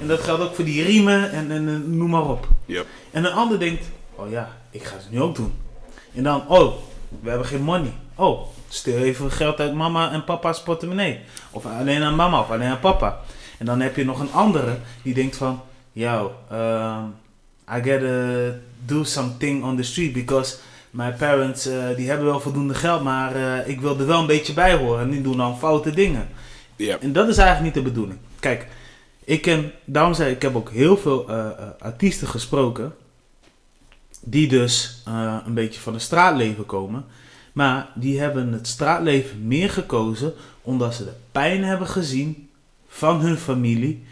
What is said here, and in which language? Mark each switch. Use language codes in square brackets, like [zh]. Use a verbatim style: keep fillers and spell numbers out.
[nl] En dat geldt ook voor die riemen en, en, en noem maar op. Ja. En een ander denkt, oh ja, ik ga het nu ook doen. En dan, oh, We hebben geen money. Oh, steel even geld uit mama en papa's portemonnee. Of alleen aan mama of alleen aan papa. En dan heb je nog een andere die denkt van... [en] Yo, um, I gotta do something on the street because... [nl] Mijn parents uh, die hebben wel voldoende geld, maar uh, ik wil er wel een beetje bij horen. En die doen dan foute dingen. Yep. En dat is eigenlijk niet de bedoeling. Kijk, ik ken, daarom zei ik, ik heb ook heel veel uh, uh, artiesten gesproken. Die dus uh, een beetje van het straatleven komen. Maar die hebben het straatleven meer gekozen omdat ze de pijn hebben gezien van hun familie.